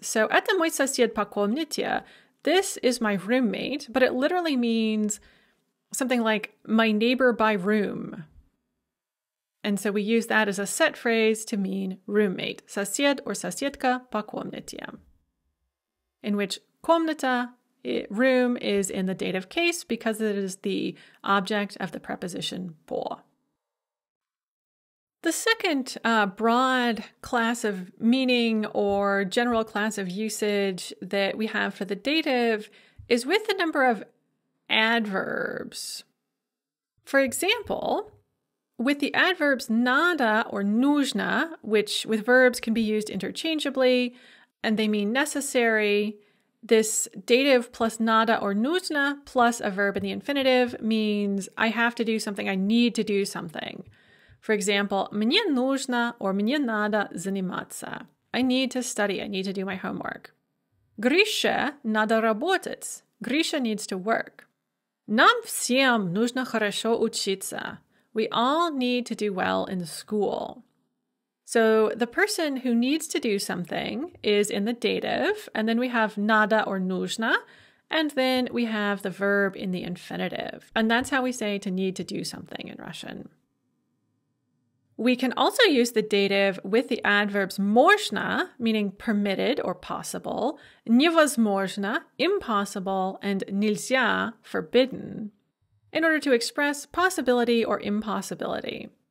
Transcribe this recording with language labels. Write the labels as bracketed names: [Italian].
[Russian] So это мой сосед по комнате. [English] This is my roommate, but it literally means something like my neighbor by room. And so we use that as a set phrase to mean roommate. [Russian] Сосед or соседка по комнате. [English] In which комната, room, is in the dative case because it is the object of the preposition по. The second broad class of meaning or general class of usage that we have for the dative is with the number of adverbs. For example, with the adverbs надо or нужно, which with verbs can be used interchangeably and they mean necessary, this dative plus надо or нужно plus a verb in the infinitive means I have to do something, I need to do something. For example, [Russian] мне нужно or мне надо заниматься. [English] I need to study, I need to do my homework. [Russian] Грише надо работать. [English] Грише needs to work. [Russian] Нам всем нужно хорошо учиться. [English] We all need to do well in school. So the person who needs to do something is in the dative, and then we have надо or нужно, and then we have the verb in the infinitive. And that's how we say to need to do something in Russian. We can also use the dative with the adverbs можно, meaning permitted or possible, невозможно, impossible, and нельзя, forbidden, in order to express possibility or impossibility.